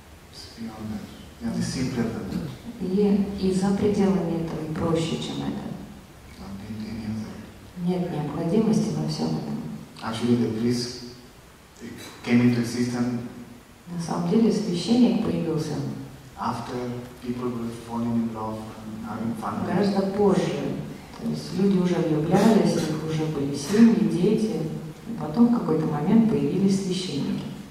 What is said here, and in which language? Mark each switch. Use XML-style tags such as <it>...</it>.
<en>It's beyond that. Yeah, it's simpler than that.</en> <ru>И за пределами этого, и проще, чем это.</ru> <en>Not in any of that.</en> <ru>Нет необходимости во всем этом.</ru> <en>Actually, the priest came into existence.</en> <ru>На самом деле священник появился.</ru> <en>After people were falling in love and having fun.</en> <ru>Гораздо позже. То есть люди уже влюблялись, у них уже были семьи, дети. И потом в какой-то момент появились священники.</ru>